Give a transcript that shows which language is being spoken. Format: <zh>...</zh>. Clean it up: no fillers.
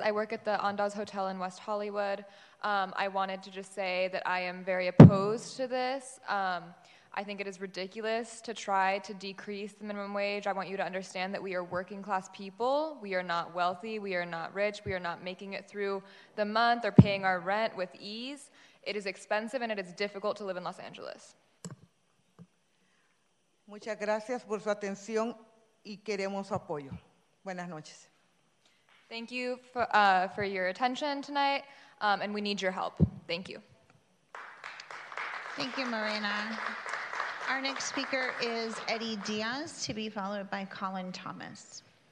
<en>I work at the Andaz Hotel in West Hollywood. I wanted to just say that I am very opposed to this. I think it is ridiculous to try to decrease the minimum wage. I want you to understand that we are working class people. We are not wealthy, we are not rich, we are not making it through the month or paying our rent with ease. It is expensive and it is difficult to live in Los Angeles.</en> <es>Muchas gracias por su atención y queremos su apoyo. Buenas noches.</es> <en>Thank you for your attention tonight, and we need your help. Thank you. Thank you, Marina. Our next speaker is Eddie Diaz, to be followed by Colin Thomas.</en>